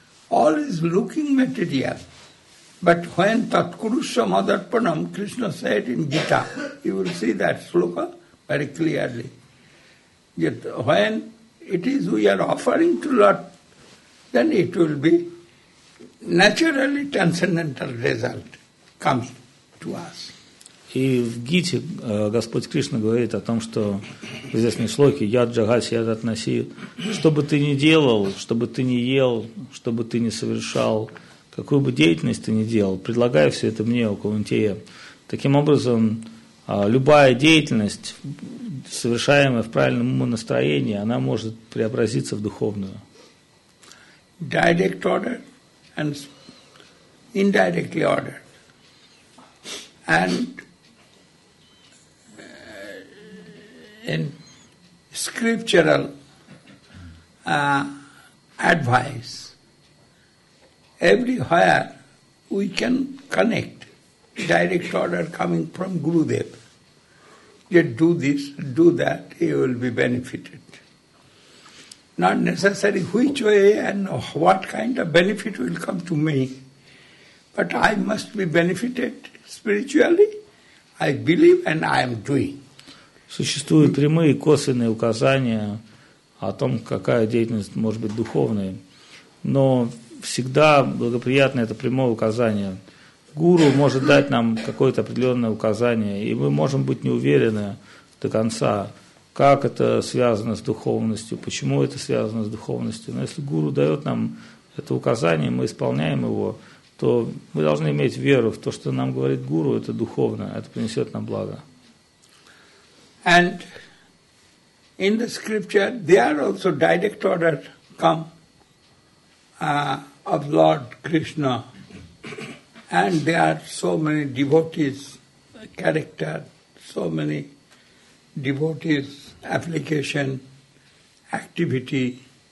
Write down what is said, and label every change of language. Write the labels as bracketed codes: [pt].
[en] All is looking material. But when Tatkurusham Adarpanam, Krishna said in Gita, you will see that sloka very clearly. Yet when it is we are offering to Lord, then it will be naturally transcendental result coming to us. [ru] И в Гите Господь Кришна говорит о том, что в известной шлоке «Яд джагаси, яд относи», что бы ты ни делал, что бы ты ни ел, что бы ты ни совершал, какую бы деятельность ты ни делал, предлагай все это мне, о Кунтея. Таким образом, любая деятельность, совершаемая в правильном умонастроении, она может преобразиться в духовную. [en] Direct order and indirectly order. And in scriptural advice, everywhere we can connect direct order coming from Gurudev. Yet do this, do that, he will be benefited. Not necessary which way and what kind of benefit will come to me, but I must be benefited spiritually. I believe and I am doing. [ru] Существуют прямые и косвенные указания о том, какая деятельность может быть духовной. Но всегда благоприятно это прямое указание. Гуру может дать нам какое-то определенное указание, и мы можем быть не уверены до конца, как это связано с духовностью, почему это связано с духовностью. Но если гуру дает нам это указание, мы исполняем его, то мы должны иметь веру в то, что нам говорит гуру, это духовно, это принесет нам благо. [en] And in the scripture, there also direct order come of Lord Krishna. And there are so many devotees' character, so many devotees' application, activity.